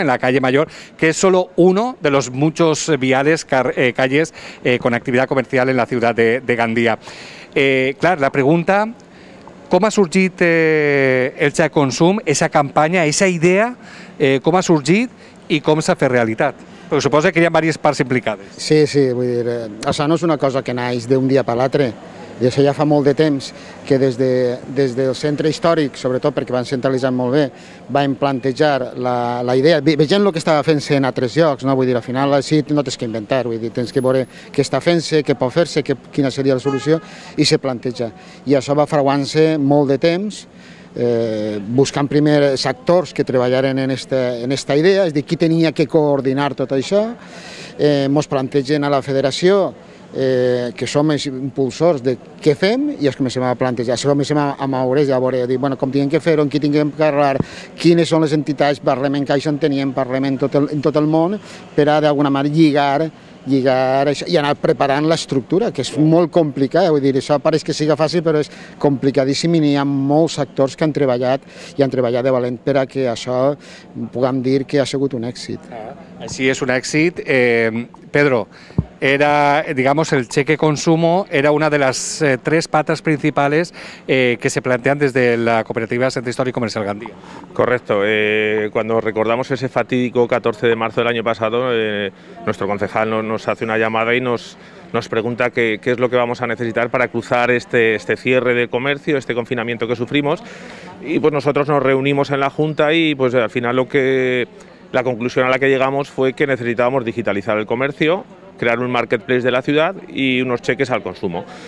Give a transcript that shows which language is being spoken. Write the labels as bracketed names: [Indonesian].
[Spanish] En la calle Mayor, que es solo uno de los muchos viales, calles con actividad comercial en la ciudad de Gandia. Claro, la pregunta, ¿cómo ha surgido el xec consum, esa campaña, esa idea? ¿Cómo ha surgido y cómo se hace realidad? Porque supongo que hay varias partes implicadas. [Catalan] Sí, sí, vull dir, això no es una cosa que naix [Spanish] de un día para el otro. [Catalan] I això ja fa molt de temps que des del centre històric, sobretot perquè van centralitzar molt bé, vam plantejar la idea, veient el que estava fent-se en altres llocs, no? Vull dir, al final així no tens que inventar, vull dir, tens que veure què està fent-se, què pot fer-se, quina seria la solució, i se planteja. I això va fraguant-se molt de temps, buscant primer els actors que treballaren en esta idea, és a dir, qui tenia que coordinar tot això, mos plantegen a la federació, que som els impulsors de què fem, i els comencem a plantejar, això comencem a moure, a veure, a dir, bueno, com tinguem que fer, on qui tinguem que parlar, quines són les entitats, parlem en caixa, en teníem, parlem en tot el món, per a d'alguna manera lligar lligar això, i anar preparant l'estructura, que és molt complicat. Vull dir, això pareix que siga fàcil, però és complicadíssim i n'hi ha molts actors que han treballat i han treballat de valent per a que això puguem dir que ha sigut un èxit. Així és un èxit. [Spanish] Pedro, era, digamos, el cheque consumo era una de las tres patas principales que se plantean desde la cooperativa Centro Histórico Comercial Gandía. Correcto, cuando recordamos ese fatídico 14 de marzo del año pasado, nuestro concejal nos hace una llamada y nos pregunta qué es lo que vamos a necesitar para cruzar este cierre de comercio, este confinamiento que sufrimos, y pues nosotros nos reunimos en la Junta y pues al final la conclusión a la que llegamos fue que necesitábamos digitalizar el comercio, crear un marketplace de la ciudad y unos cheques al consumo.